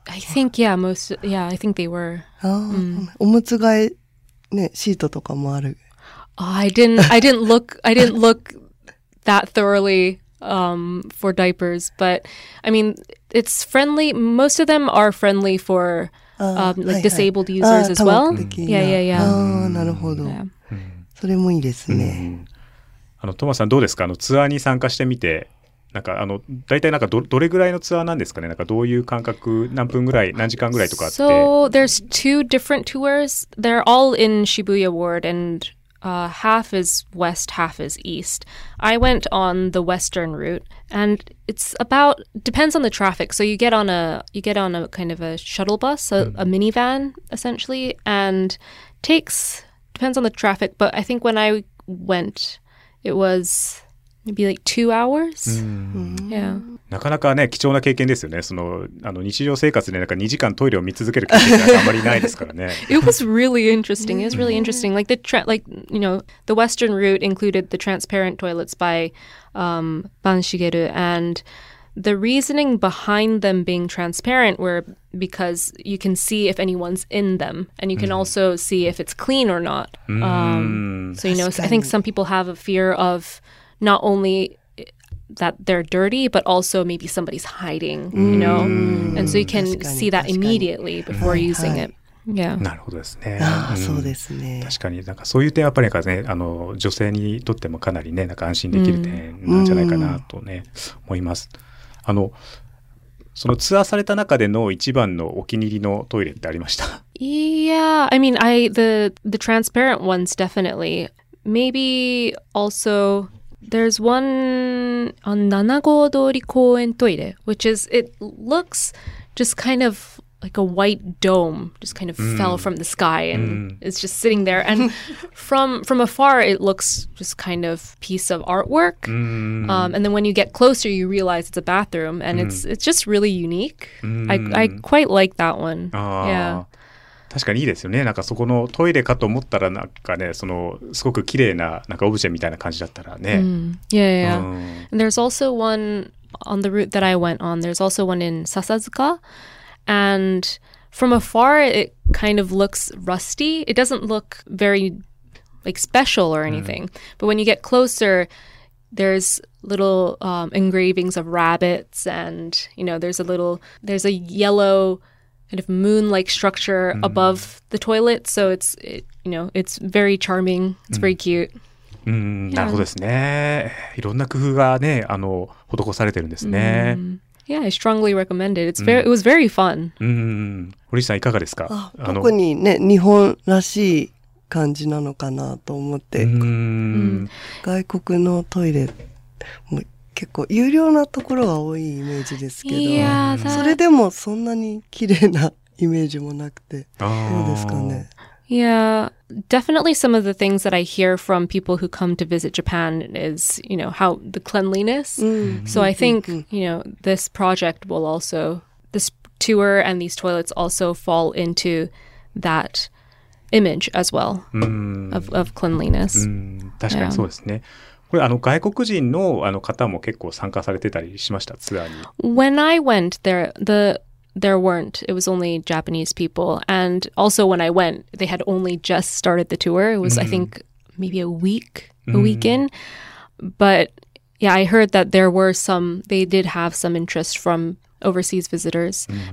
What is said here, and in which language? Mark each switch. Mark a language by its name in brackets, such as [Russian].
[English] I think yeah, most yeah, I think they were. [Japanese] おむつ替えね、シートとかもある。 [English] I didn't look that thoroughly for diapers, but I mean it's friendly. Most of them are friendly for like disabled users as well. Yeah, yeah, yeah. [Japanese] なるほど。それもいいですね。トマさんどうですか。ツアーに参加してみて、なんか大体なんか どれぐらいのツアーなんですかね。なんかどういう感覚、何分ぐらい、何時間ぐらいとかあって。 [English] So there's two different tours. They're all in Shibuya Ward, and half is west, half is east. I went on the western route, and it's about depends on the traffic. So you get on a kind of a shuttle bus, a minivan essentially, and takes. Depends on the traffic, but I think when I went, it was maybe like 2 hours. [Japanese] なかなかね、貴重な経験ですよね。その、日常生活でなんか2時間トイレを見続ける経験があんまりないですからね。 [English] It was really interesting. It was really interesting. Like, the western route included the transparent toilets by Banshigeru. And the reasoning behind them being transparent were... because you can see if anyone's in them and you can also see if it's clean or not. So, you know, I think some people have a fear of not only that they're dirty, but also maybe somebody's hiding, you know? And so you can see that immediately before using it. Yeah. [Japanese] なるほどですね。ああ、そうですね。確かに、なんかそういう点はやっぱりなんかね、女性にとってもかなりね、なんか安心できる点なんじゃないかなとね、思います。そのツアーされた中での一番のお気に入りのトイレってありました？ [English] Yeah, I mean, the transparent ones definitely. Maybe also there's one on Nanago Dori Koen Toire, which is, it looks just kind of like a white dome, just kind of fell from the sky and is just sitting there. And from afar, it looks just kind of piece of artwork. And then when you get closer, you realize it's a bathroom and it's just really unique. I quite like that one. Yeah. [Japanese] 確かにいいですよね。なんかそこのトイレかと思ったらなんかね、そのすごく綺麗ななんかオブジェみたいな感じだったらね。 [English] Yeah, yeah. And there's also one on the route that I went on. There's also one in Sasazuka. And from afar, it kind of looks rusty. It doesn't look very like special or anything. But when you get closer, there's little engravings of rabbits. And, you know, there's a yellow... kind of moon-like structure above the toilet, so it's very charming. It's very cute. [Japanese] なるほどですね。いろんな工夫がね、施されてるんですね。 [English] Yeah, I strongly recommend it. It was very fun. [Japanese] 堀内さん、いかがですか？特にね、日本らしい感じなのかなと思って。外国のトイレも結構有料なところが多いイメージですけど、それでもそんなに綺麗なイメージもなくて、どうですかね。 [English] Yeah, definitely some of the things that I hear from people who come to visit Japan is, you know, how the cleanliness. So I think, you know, this project will also, this tour and these toilets also fall into that image as well of cleanliness. [Japanese] 確かにそうですね。これ外国人の方も結構参加されてたりしました、ツアーに。 [English] When I went there weren't. It was only Japanese people. And also when I went, they had only just started the tour. It was, I think, maybe a week in. But Yeah, I heard that there were some, they did have some interest from overseas visitors. Mm-hmm.